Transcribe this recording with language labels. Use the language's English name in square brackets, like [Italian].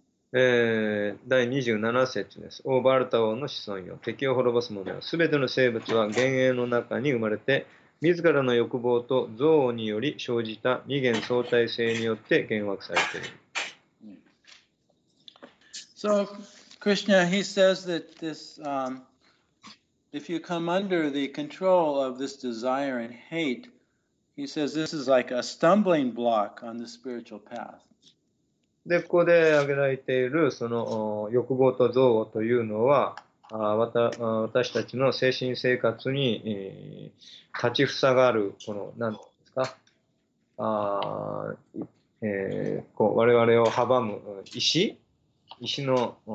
[Japanese] 第27節です。オーバルタ王の子孫よ、敵を滅ぼす者よ、すべての生物は幻影の中に生まれて、自らの欲望と憎悪により生じた二元相対性によって幻惑されている。 [English] So, Krishna, he says that this, if you come under the control of this desire and hate, he says this is like a stumbling block on the spiritual path. [Japanese] で、ここで挙げられているその欲望と憎悪というのは、私たちの精神生活に立ちふさがる、この何ですか、こう我々を阻む石の